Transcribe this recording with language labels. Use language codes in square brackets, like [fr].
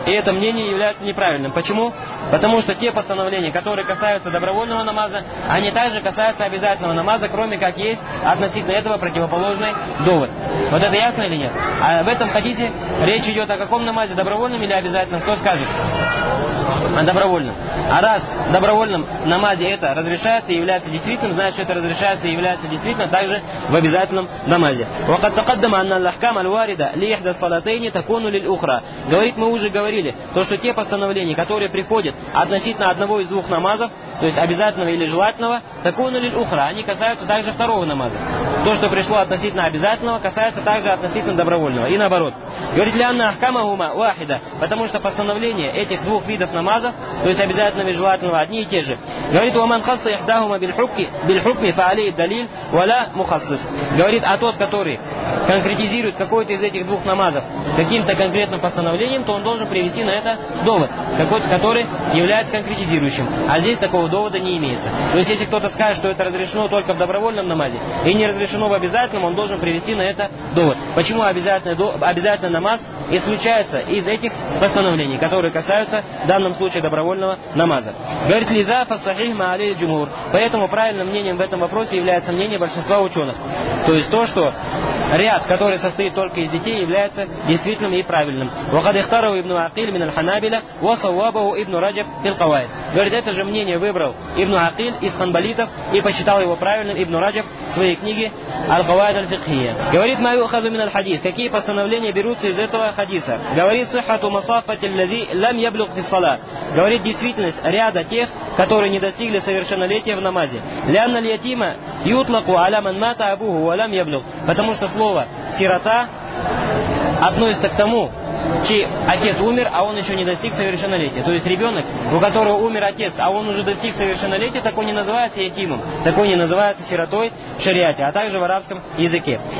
[ru] И это мнение является неправильным. Почему? Потому что те постановления, которые касаются добровольного намаза, они также касаются обязательного намаза, кроме как есть относительно этого противоположный довод. Вот это ясно или нет? А в этом хадисе речь идет о каком намазе, добровольном или обязательном? Кто скажет? О добровольном. А раз в добровольном намазе это разрешается и является действительным, значит, это разрешается и является действительно также в обязательном намазе. [ar] وقد تقدم أن الأحكام الواردة لإحدى الصلاتين تكون للأخرى. [ru] Говорит, мы уже говорили, то, что те постановления, которые приходят относительно одного из двух намазов, то есть обязательного или желательного, [ar] تكون للأخرى, [ru] они касаются также второго намаза. То, что пришло относительно обязательного, касается также относительно добровольного. И наоборот. Говорит, [ar] لأن أحكامهما واحدة, [ru] потому что постановления этих двух видов намазов, то есть обязательного и желательного, одни и те же. Говорит, [ar] ومن خص إحداهما بالحكم فعليه الدليل ولا مخصص. [ru] Говорит, а тот, который конкретизирует какой-то из этих двух намазов каким-то конкретным постановлением, то он должен привести на это довод, какой-то, который является конкретизирующим. А здесь такого довода не имеется. То есть, если кто-то скажет, что это разрешено только в добровольном намазе и не разрешено в обязательном, он должен привести на это довод. Почему обязательный намаз исключается из этих постановлений, которые касаются в данном случае добровольного намаза? Говорит [ar] Лиза фасахих маалей джумур. [ru] Поэтому правильным мнением в этом вопросе является мнение большинства ученых. То есть то, что ряд, который состоит только из детей, является действительным и правильным. [ar] وقد اختاره ابن عقيل من الحنابلة وصوابه ابن رجب في القواعد. [ru] Говорит, это же мнение выбрал ابن عقيل из ханбалитов и посчитал его правильным ابن رجب в своей книге القواعد الفقهية. Говорит, [ar] ما يؤخذ من الحديث. [ru] Какие постановления берутся из этого хадиса? Говорит, [ar] صحة مصافة الذي لم يبلغ في الصلاة. [ru] Говорит, действительность ряда тех, которые не достигли совершеннолетия в намазе. [ar] لأن اليتيم يطلق على من مات أبوه ولم يبلغ. [ru] Потому что слово «сирота» относится к тому, чей отец умер, а он еще не достиг совершеннолетия. То есть ребенок, у которого умер отец, а он уже достиг совершеннолетия, такой не называется ятимом, такой не называется сиротой в шариате, а также в арабском языке.